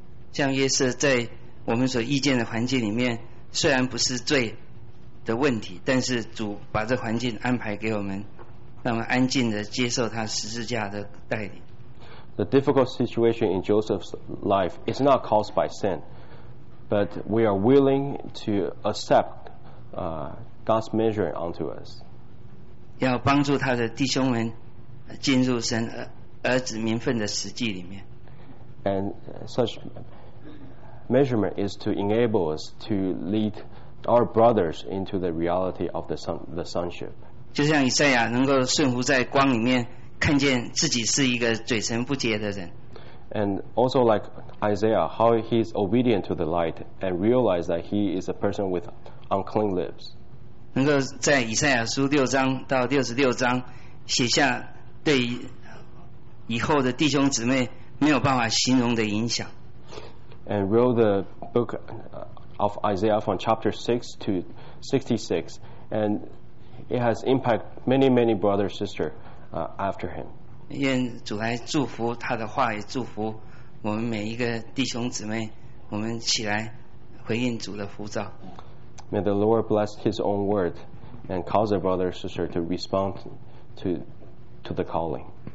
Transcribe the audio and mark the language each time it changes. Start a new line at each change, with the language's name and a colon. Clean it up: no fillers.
Chinese: 像约瑟在我们所遇见的环境里面，虽然不是罪的问题，但是主把这环境安排给我们，让我们安静的接受他十字架的带领。
English: The difficult situation in Joseph's life is not caused by sin, but we are willing to accept God's measuring onto us.
Chinese: 要帮助他的弟兄们进入神儿子名分的实际里面。
English: And such measurement is to enable us to lead our brothers into the reality of the sonship.
Chinese: 就像以赛亚能够顺服在光里面，看见自己是一个嘴唇不洁的人。
English: And also like Isaiah, how he is obedient to the light and realize that he is a person with unclean lips.
Chinese: 能够在以赛亚书六章到六十六章写下对以后的弟兄姊妹没有办法形容的影响。
English: And wrote the book of Isaiah from chapter 6 to 66, and it has impacted many, many brothers, sisters after him.
Chinese: 愿主来祝福他的话语，祝福我们每一个弟兄姊妹，我们起来回应主的呼召。
English: May the Lord bless his own word and cause a brother or sister to respond to the calling.